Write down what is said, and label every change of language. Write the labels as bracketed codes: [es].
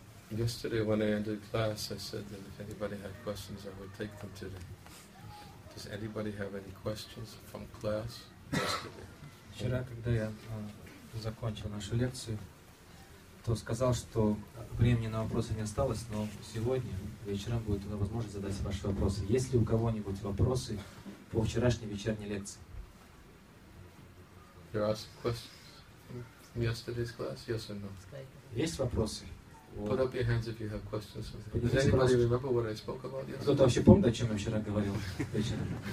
[en] Yesterday when I ended class, I said that if anybody had questions, I would take them today. Does anybody have any questions from class yesterday? [ru] Вчера, когда я закончил нашу лекцию, то сказал, что времени на вопросы не осталось, но сегодня вечером будет возможность задать ваши вопросы. Есть ли у кого-нибудь вопросы по вчерашней вечерней лекции? [en] You asked questions from yesterday's class, yes or no? [ru] Есть вопросы? [en] Put up your hands if you have questions. Does anybody remember what I spoke about yesterday? [ru] Кто-то вообще помнит, о чем я вчера говорил вечером?